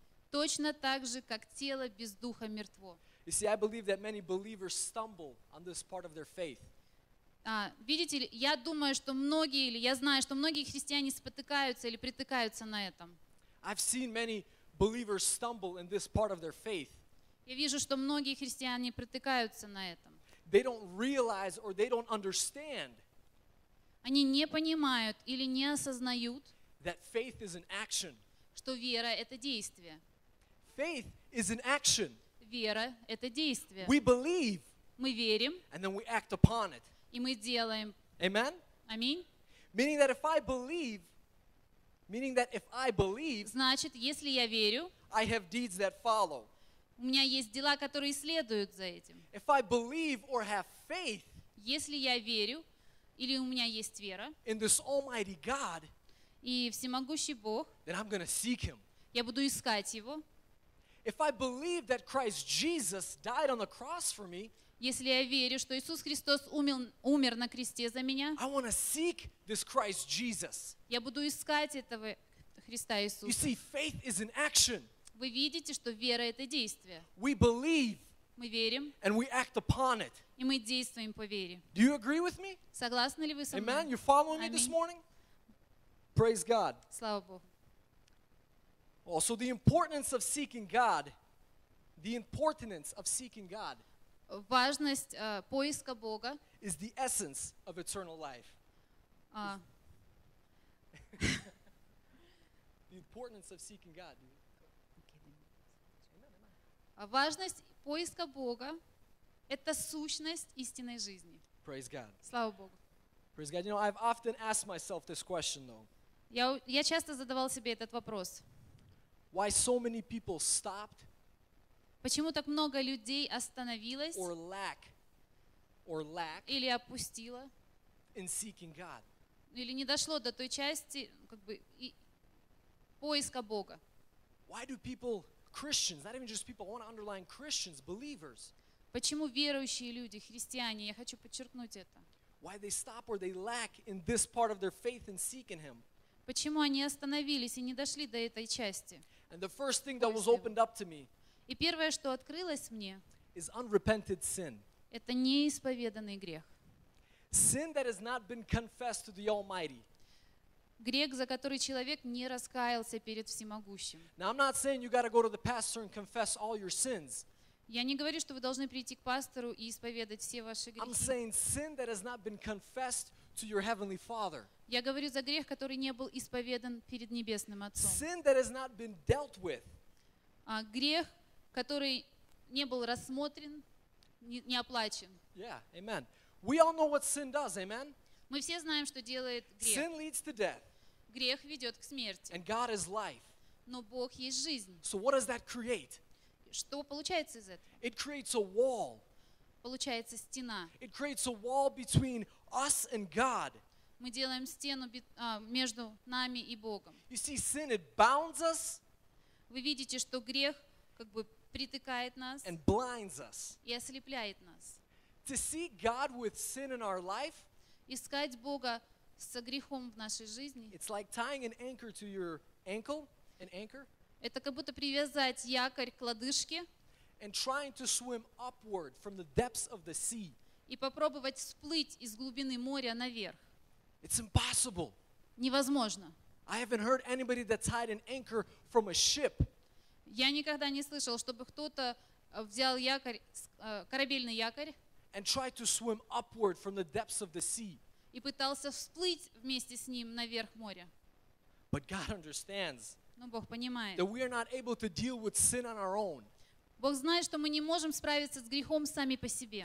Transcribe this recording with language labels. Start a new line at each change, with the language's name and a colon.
Russian: Точно так же, как тело без духа мертво.
English: You see, I believe that many believers stumble on this part of their faith.
Russian: Видите, я думаю, что многие, или я знаю, что многие христиане спотыкаются или притыкаются на этом.
English: I've seen many believers stumble in this part of their faith.
Russian: Я вижу, что многие христиане притыкаются на этом.
English: They don't realize or they don't understand.
Russian: Они не понимают или не осознают,
English: that faith is an action.
Russian: Что вера — это действие.
English: Faith is an action.
Russian: Вера — это действие.
English: We believe.
Russian: Мы верим.
English: And then we act upon it.
Russian: И мы делаем.
English: Amen?
Russian: Аминь.
English: Meaning that if I believe, meaning that if I believe,
Russian: значит, если я верю,
English: I have deeds that follow.
Russian: У меня есть дела, которые следуют за этим.
English: If I believe or have faith,
Russian: если я верю или у меня есть вера,
English: in this almighty God,
Russian: и всемогущий Бог,
English: then I'm going to seek Him.
Russian: Я буду искать Его.
English: If I believe that Christ Jesus died on the cross for me,
Russian: Если я верю, что Иисус Христос умер на кресте за меня,
English: I want to seek this Christ Jesus.
Russian: Я буду искать этого Христа Иисуса.
English: You see, faith is an action.
Russian: Вы видите, что вера — это действие.
English: We believe.
Russian: Мы верим.
English: And we act upon it.
Russian: И мы действуем по вере.
English: Do you agree with me?
Russian: Согласны ли вы со мной?
English: Amen. You following me this morning? Praise God.
Russian: Слава Богу.
English: Also, the importance of seeking God. The importance of seeking God.
Russian: Важность поиска Бога.
English: Is the essence of eternal life. The importance of seeking God.
Russian: Важность поиска Бога — это сущность истинной жизни.
English: Praise God.
Russian: Слава Богу.
English: Praise God. You know, I've often asked myself this question, though.
Russian: Я часто задавал себе этот вопрос.
English: Why so many people stopped?
Russian: Почему так много людей остановилось?
English: Or lack?
Russian: Или опустило?
English: In seeking God.
Russian: Или не дошло до той части, как бы поиска Бога.
English: Why do people? Christians, not even just people, I want to underline Christians, believers.
Russian: Почему верующие люди, христиане, я хочу подчеркнуть это.
English: Why they stop or they lack in this part of their faith in seeking Him?
Russian: Почему они остановились и не дошли до этой части?
English: And the first thing that was opened up to me.
Russian: И первое, что открылось мне.
English: Is unrepented sin.
Russian: Это неисповеданный грех.
English: Sin that has not been confessed to the Almighty.
Russian: Грех, за который человек не раскаялся перед Всемогущим.
English: Now, I'm not saying you got to go to the pastor and confess all your sins.
Russian: Я не говорю, что вы должны прийти к пастору и исповедать все ваши грехи.
English: I'm saying sin that has not been confessed to your heavenly Father.
Russian: Я говорю за грех, который не был исповедан перед Небесным Отцом.
English: Sin that has not been dealt with.
Russian: Грех, который не был рассмотрен, не оплачен.
English: Yeah, amen. We all know what sin does, amen.
Russian: Мы все знаем, что делает грех.
English: Sin leads to death.
Russian: Грех ведет к смерти.
English: And God is life.
Russian: Но Бог есть жизнь.
English: So what does that create?
Russian: Что получается из этого?
English: It creates a wall.
Russian: Получается стена.
English: It creates a wall between us and God.
Russian: Мы делаем стену между нами и Богом.
English: You see, sin, it bounds us.
Russian: Вы видите, что грех как бы притыкает нас.
English: And blinds us.
Russian: И ослепляет нас.
English: To see God with sin in our life.
Russian: Искать Бога со грехом в нашей жизни.
English: It's like tying an anchor to your ankle, an anchor.
Russian: Это как будто привязать якорь к лодыжке.
English: And trying to swim upward from the depths of the sea.
Russian: И попробовать всплыть из глубины моря наверх.
English: It's impossible.
Russian: Невозможно.
English: I haven't heard anybody that tied an anchor from a ship.
Russian: Я никогда не слышал, чтобы кто-то взял якорь, корабельный якорь.
English: And tried to swim upward from the depths of the sea.
Russian: И пытался всплыть вместе с ним наверх моря.
English: But God understands.
Russian: Но Бог понимает.
English: That we are not able to deal with sin on our own.
Russian: Бог знает, что мы не можем справиться с грехом сами по себе.